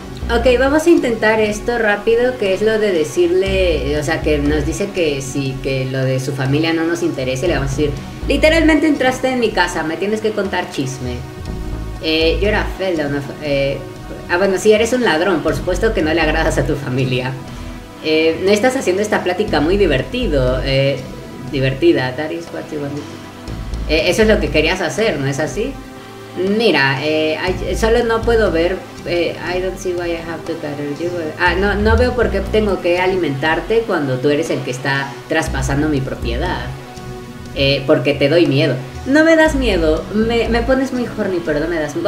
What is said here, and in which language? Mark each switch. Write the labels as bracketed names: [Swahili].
[Spanish] Ok, vamos a intentar esto rápido, que es lo de decirle, o sea, que nos dice que si que lo de su familia no nos interese, le vamos a decir, literalmente entraste en mi casa, me tienes que contar chisme. Yo era Felda, ¿no? Bueno, sí, eres un ladrón, por supuesto que no le agradas a tu familia. No estás haciendo esta plática muy divertido, divertida, [English] that is what you want. [Spanish] Eso es lo que querías hacer, ¿no es así? Mira, solo no puedo ver, [English] I don't see why I have to cuddle you. [Spanish] No veo por qué tengo que alimentarte cuando tú eres el que está traspasando mi propiedad. Porque te doy miedo. No me das miedo, me pones muy horny, pero no me das miedo.